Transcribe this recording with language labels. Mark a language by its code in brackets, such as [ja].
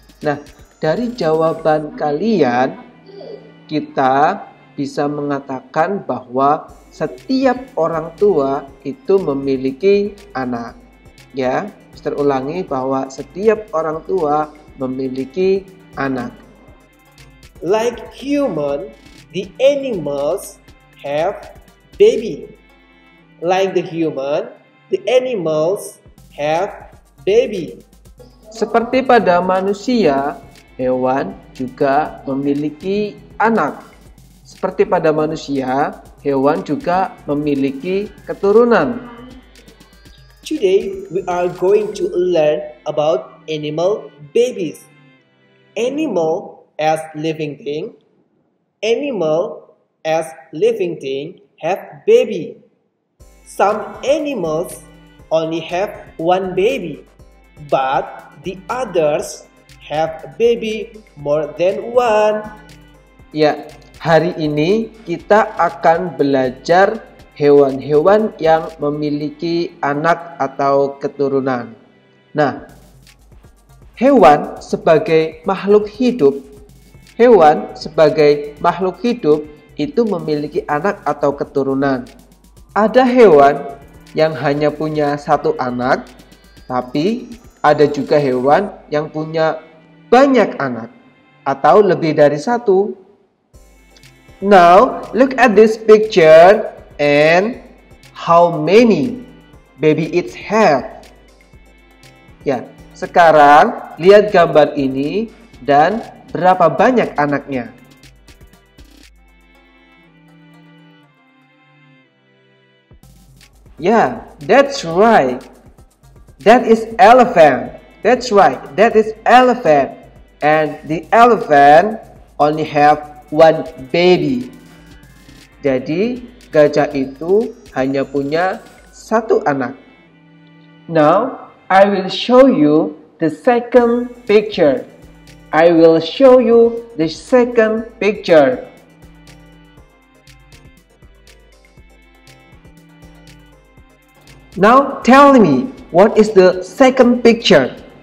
[id] Nah, dari jawaban kalian, kita bisa mengatakan bahwa setiap orang tua itu memiliki anak. Ya, Mister ulangi bahwa setiap orang tua memiliki anak. [en] Like human, the animals have baby. Like the human, the animals have baby. [id] Seperti pada manusia, hewan juga memiliki anak. Seperti pada manusia, hewan juga memiliki keturunan. [en] Today we are going to learn about animal babies. Animal as living thing. Animal as living thing have baby. Some animals only have one baby, but the others have baby more than one. [id] Ya, hari ini kita akan belajar hewan-hewan yang memiliki anak atau keturunan. Nah, hewan sebagai makhluk hidup. Hewan sebagai makhluk hidup itu memiliki anak atau keturunan. Ada hewan yang hanya punya satu anak, tapi ada juga hewan yang punya banyak anak atau lebih dari satu. [en] Now, look at this picture and how many baby it have. [id] Ya, sekarang lihat gambar ini dan berapa banyak anaknya? [en] Yeah, that's right. That is elephant. That's right. That is elephant. And the elephant only have one baby. [id] Jadi, gajah itu hanya punya satu anak. [en] Now, I will show you the second picture. I will show you the second picture. Now tell me, what is the second picture?